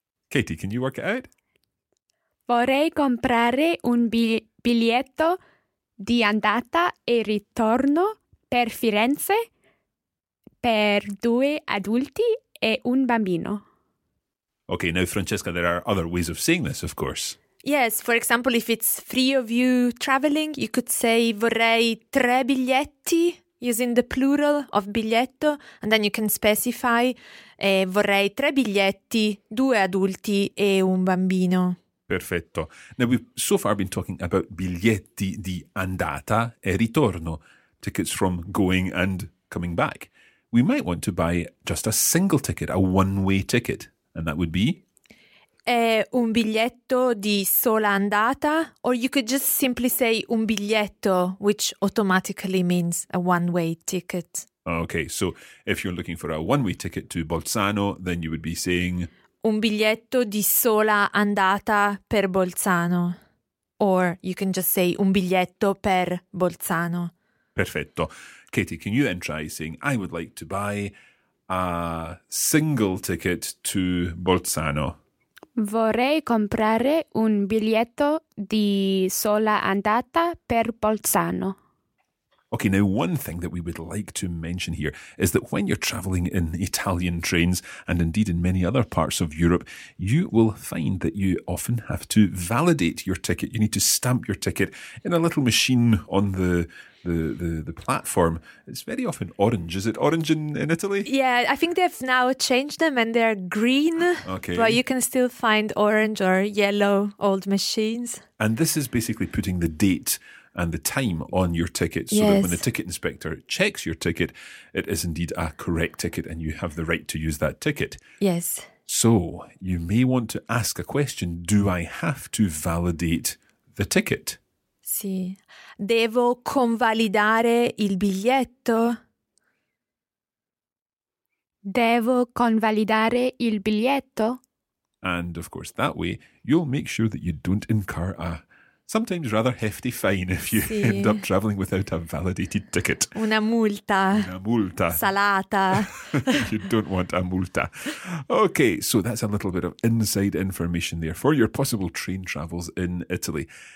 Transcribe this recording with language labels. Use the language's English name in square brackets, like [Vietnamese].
[English] Katie, can you work it out? [Italian] Vorrei comprare un biglietto di andata e ritorno per Firenze per due adulti e un bambino. [English] Okay, now Francesca, there are other ways of saying this, of course. Yes, for example, if it's three of you traveling, you could say [Italian] vorrei tre biglietti, [English] using the plural of biglietto, and then you can specify [Italian] vorrei tre biglietti, due adulti e un bambino. Perfetto. [English] Now, we've so far been talking about [Italian] biglietti di andata e ritorno, [English] tickets from going and coming back. We might want to buy just a single ticket, a one-way ticket, and that would be? [Italian] È un biglietto di sola andata, [English] or you could just simply say un biglietto, which automatically means a one-way ticket. Okay, so if you're looking for a one-way ticket to Bolzano, then you would be saying [Italian] un biglietto di sola andata per Bolzano. [English] Or you can just say [Italian] un biglietto per Bolzano. Perfetto. [English] Katie, can you then try saying I would like to buy a single ticket to Bolzano? [Italian] Vorrei comprare un biglietto di sola andata per Bolzano. [English] Okay, now one thing that we would like to mention here is that when you're travelling in Italian trains, and indeed in many other parts of Europe, you will find that you often have to validate your ticket. You need to stamp your ticket in a little machine on the platform. It's very often orange. Is it orange in Italy? Yeah, I think they've now changed them and they're green. Okay. But you can still find orange or yellow old machines. And this is basically putting the date and the time on your ticket, so yes, that when the ticket inspector checks your ticket, it is indeed a correct ticket and you have the right to use that ticket. Yes. So you may want to ask a question. Do I have to validate the ticket? [Italian] Sì. Devo convalidare il biglietto? Devo convalidare il biglietto? [English] And of course, that way you'll make sure that you don't incur a sometimes rather hefty fine if you [Italian] sì [English] end up travelling without a validated ticket. [Italian] Una multa. Una multa. Salata. [English] You don't want a multa. Okay, so that's a little bit of inside information there for your possible train travels in Italy.